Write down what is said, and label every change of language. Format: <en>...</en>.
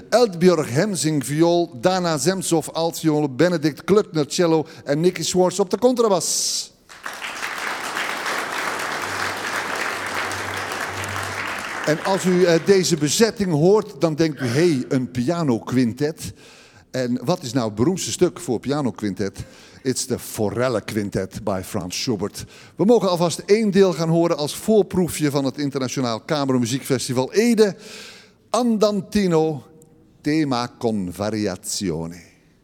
<nl>Eldbjörg Hemsing, viool, Dana Zemtsov, altviool, Benedict Kluckner, cello en Nicky Swartz op de contrabas. En als u deze bezetting hoort, dan denkt u, hey, een pianoquintet. En wat is nou het beroemdste stuk voor pianoquintet?</nl> <en>It's the Forelle Quintet by Franz Schubert.</en> <nl>We mogen alvast één deel gaan horen als voorproefje van het Internationaal Kamermuziekfestival Ede. Andantino, tema con variazione.</nl>